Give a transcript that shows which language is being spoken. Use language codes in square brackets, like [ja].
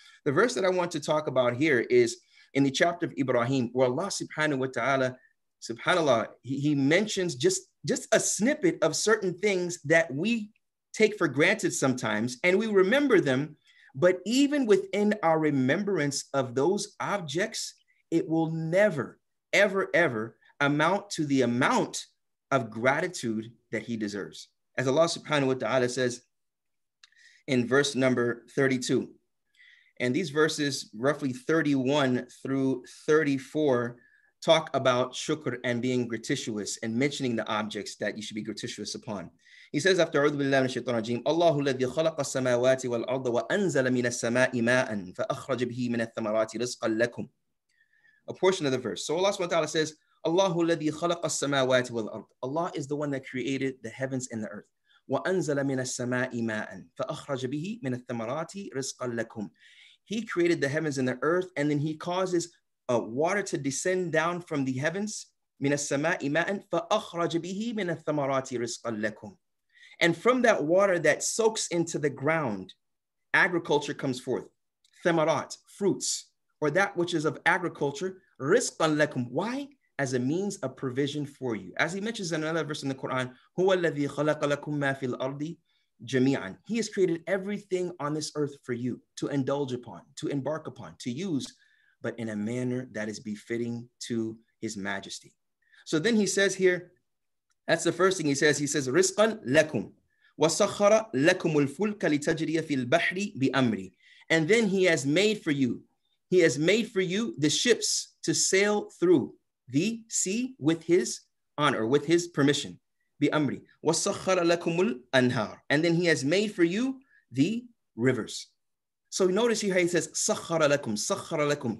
[en] The verse that I want to talk about here is in the chapter of Ibrahim, where Allah subhanahu wa ta'ala, subhanAllah, he mentions just a snippet of certain things that we take for granted sometimes, and we remember them, but even within our remembrance of those objects, it will never, ever, ever amount to the amount of gratitude that he deserves. As Allah subhanahu wa ta'ala says in verse number 32, and these verses, roughly 31 through 34, talk about shukr and being gratuitous and mentioning the objects that you should be gratuitous upon. He says, after [ar] أعوذ بالله من الشيطان الرجيم, الله الذي خلق السماوات والأرض وأنزل من السماء ماء فأخرج به من الثمرات رزقا لكم. [en] A portion of the verse. So Allah subhanahu wa ta'ala says, [ar] الله الذي خلق السماوات والأرض. [en] Allah is the one that created the heavens and the earth. [ar] وأنزل من السماء ماء فأخرج به من الثمرات رزقا لكم. [en] He created the heavens and the earth, and then he causes water to descend down from the heavens. [ar] من السماء ماء فأخرج به من الثمرات رزقا لكم. [en] And from that water that soaks into the ground, agriculture comes forth. Thamarat, fruits, or that which is of agriculture. [ar] Rizqan lakum. [en] Why? As a means of provision for you. As he mentions in another verse in the Quran, [ar] هُوَ الَّذِي خَلَقَ لَكُمْ مَا فِي الْأَرْضِ جَمِيعًا. [en] He has created everything on this earth for you to indulge upon, to embark upon, to use, but in a manner that is befitting to his majesty. So then he says here, that's the first thing he says. He says, [ar] رِزْقًا لَكُمْ وَسَخَّرَ لَكُمُ الْفُلْكَ لِتَجْرِيَ فِي الْبَحْرِ بِأَمْرِ. [en] And then he has made for you the ships to sail through the sea with his honor, with his permission. [ar] بِأَمْرِ وَسَخَّرَ لَكُمُ الْأَنْهَارِ. [en] And then he has made for you the rivers. So notice here how he says, [ar] سَخَّرَ لَكُمْ سَخَّرَ لَكُمْ.